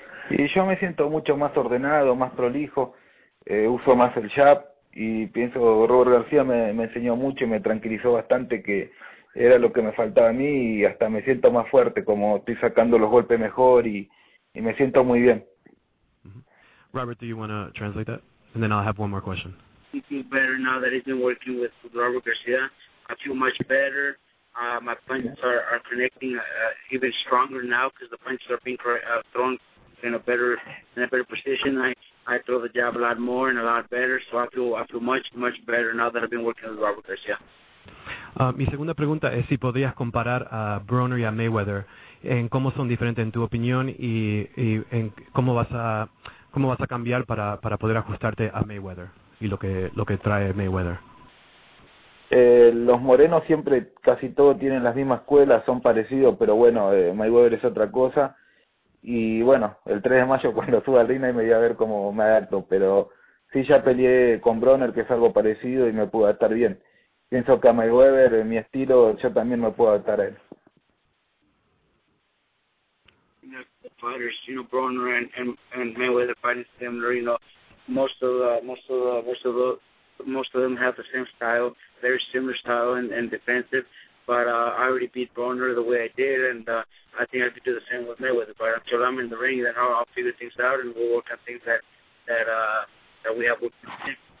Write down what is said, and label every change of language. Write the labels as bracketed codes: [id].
[es] Y yo me siento mucho más ordenado, más prolijo, uso más el jab, y pienso que Robert García me enseñó mucho y me tranquilizó bastante, que era lo que me faltaba a mí, y hasta me siento más fuerte, como estoy sacando los golpes mejor y me siento muy bien. [en] Robert, do you want to translate that? And then I'll have one more question. I feel better now that he's been working with Robert Garcia. I feel much better. My punches are connecting even stronger now because the punches are being thrown in a better position. I throw the jab a lot more and a lot better, so I feel much, much better now that I've been working with Robert Garcia. [es] Mi segunda pregunta es si podrías comparar a Broner y a Mayweather en cómo son diferentes en tu opinión y en cómo vas a cambiar para poder ajustarte a Mayweather y lo que trae Mayweather. Los morenos siempre, casi todos tienen las mismas escuelas, son parecidos, pero bueno, Mayweather es otra cosa. Y bueno, el 3 de mayo cuando suba al ring me voy a ver cómo me adapto, pero sí, ya peleé con Broner, que es algo parecido, y me pudo adaptar bien. Pienso que a Mayweather, en mi estilo, yo también me puedo adaptar a él. [en] Fighters, you know, Broner and Mayweather fighting similar, you know, most of them have the same style, very similar style and defensive, but I already beat Broner the way I did, and I think I could do the same with Mayweather, but until I'm in the ring, then I'll figure things out and we'll work on things that we have worked on.